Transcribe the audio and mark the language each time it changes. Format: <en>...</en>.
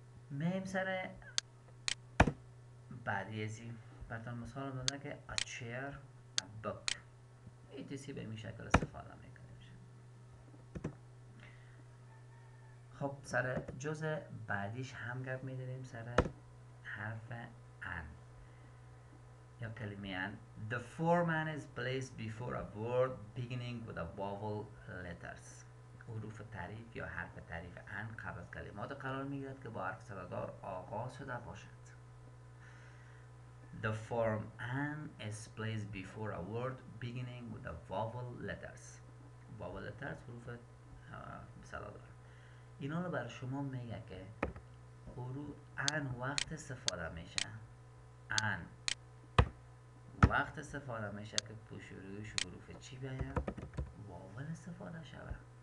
<fa>میگیم سر بعدی ازی برتان مثال هم داده که</fa> <en>a chair, a book.</en> <fa>ایتیسی به این شکل استفاده میکنه میشه. خب سر جزء بعدیش هم گپ میداریم سر حرف ان یا کلمه ان.</fa> <en>The foreman is placed before a word beginning with a vowel letters.</en> <fa>حروف تعریف یا حرف تعریف ان قبل از کلمات قرار میگیرد که با حرف صدادار آغاز شده باشد.</fa> <en>The form an is placed before a word beginning with a vowel letters.</en> <fa>Vowel letters حروف صدادار. اینا رو برای شما میگه که حروف ان وقت استفاده میشه. ان وقت استفاده میشه که پیش روش حروف چی بیاید؟ واول استفاده شده.</fa>